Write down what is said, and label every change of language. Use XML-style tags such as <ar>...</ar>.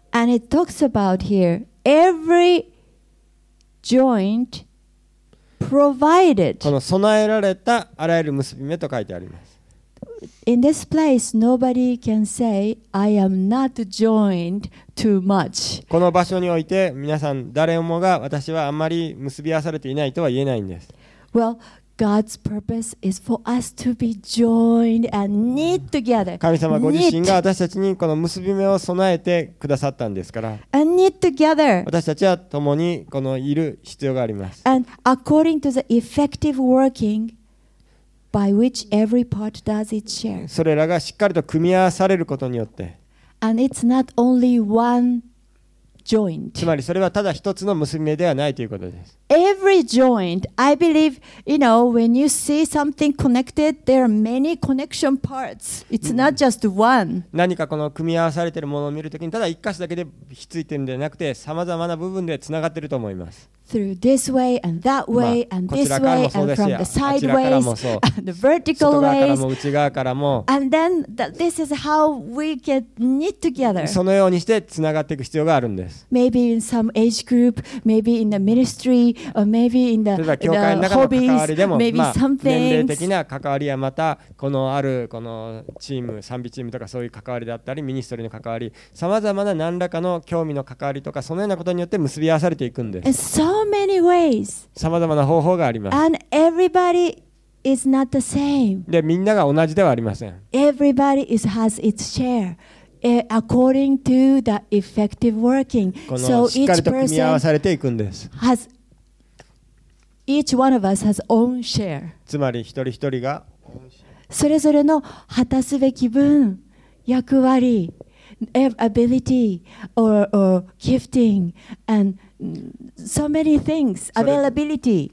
<en>And it talks about here. Every joint provided.</en> <ja>この備えられたあらゆる結び目と書いてあります。</ja> <en>In this place, nobody can say, I am not joined too much.</en> <ja>この場所において、皆さん誰もが私はあまり結び合わされていないとは言えないんです。</ja> <en>Well, God's purpose is for us to be joined and knit together.</en> <ja>神様ご自身が私たちにこの結び目を備えてくださったんですから。</ja> <en>And knit together.</en> <ja>私たちは共にこのいる必要があります。</ja> <en>And according to the effective working by which every part does its share.</en> <ja>それらがしっかりと組み合わされることによって。</ja> <en>And it's not only one joint.</en> <ja>つまりそれはただ一つの結び目ではないということです。</ja> <en>Every joint, I believe, you know, when you see something connected, there are many connection parts. It's not just one.</en> <ja>何かこの組み合わされているものを見るときに、ただ一箇所だけでひっついているのではなくて、さまざまな部分でつながっていると思います。</ja> <en>Through this way and that way and this way and from the sideways and the vertical ways.</en> <ja>外側からも内側からも。</ja> <en>And then this is how we get knit together.</en> <ja>そのようにしてつながっていく必要があるんです。</ja> <en>Maybe in some age group, maybe in the ministry. Or maybe in the,</en> <ja>例えば教会の中の関わりでも、まあ、年齢的な関わりや、またこのあるこのチーム賛美チームとかそういう関わりだったり、ミニストリーの関わり、さまざまな何らかの興味の関わりとか、そのようなことによって結び合わされていくんです。さまざまな方法があります。</ja> <en>And everybody is not the same.</en> <ja>でみんなが同じではありません。</ja> <en>Everybody is, has its shareAccording to the effective working.</en> <ja>このしっかりと組み合わされていくんです。</ja> <en>Each one of us has own share.</en> <ja>つまり一人一人がそれぞれの果たすべき分、役割、</ja> <en>ability or gifting and so many things, availability.</en>